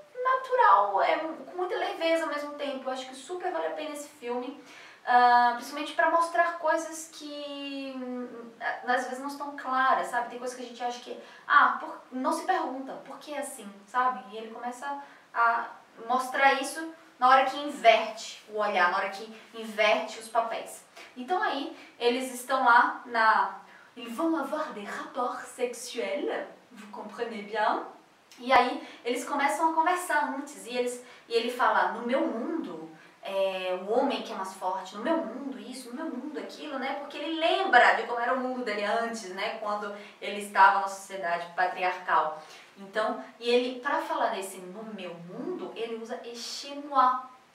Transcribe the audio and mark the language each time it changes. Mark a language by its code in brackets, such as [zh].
[pt] natural, com muita leveza ao mesmo tempo. Eu acho que super vale a pena esse filme, principalmente para mostrar coisas que às vezes não estão claras, sabe? Tem coisas que a gente acha que, não se pergunta, por que assim, sabe? E ele começa a mostrar isso na hora que inverte o olhar, na hora que inverte os papéis. Então aí, eles estão lá na... [fr] Ils vont avoir des rapports sexuels, vous comprenez bien? [pt] E aí, eles começam a conversar antes, e ele fala, no meu mundo, o homem que é mais forte, no meu mundo isso, no meu mundo aquilo, né? Porque ele lembra de como era o mundo dele antes, né? Quando ele estava na sociedade patriarcal. Então, e ele, para falar desse no meu mundo, ele usa [fr] et chez moi.